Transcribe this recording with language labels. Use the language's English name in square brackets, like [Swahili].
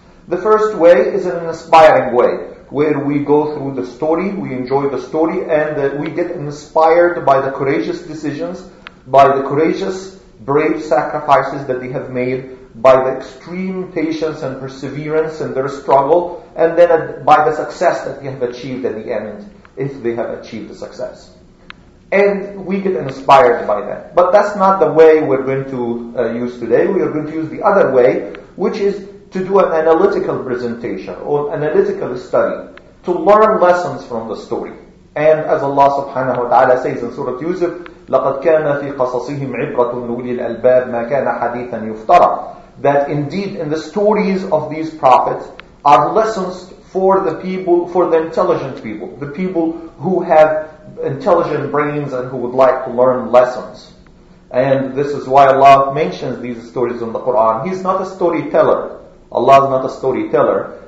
[English] The first way is an inspiring way, where we go through the story, we enjoy the story, and we get inspired by the courageous decisions, by the courageous, brave sacrifices that they have made, by the extreme patience and perseverance in their struggle, and then by the success that they have achieved at the end, if they have achieved the success. And we get inspired by that. But that's not the way we're going to use today. We are going to use the other way, which is to do an analytical presentation or analytical study to learn lessons from the story. And as Allah subhanahu wa ta'ala says in Surah Yusuf, [Arabic] لَقَدْ كَانَ فِي قَصَصِهِمْ عِبْرَةٌ لُولِي الْأَلْبَابِ مَا كَانَ حَدِيثًا يُفْتَرَى. [English] That indeed in the stories of these prophets are lessons for the people, for the intelligent people, the people who have intelligent brains and who would like to learn lessons. And this is why Allah mentions these stories in the Quran. He's not a storyteller. Allah is not a storyteller.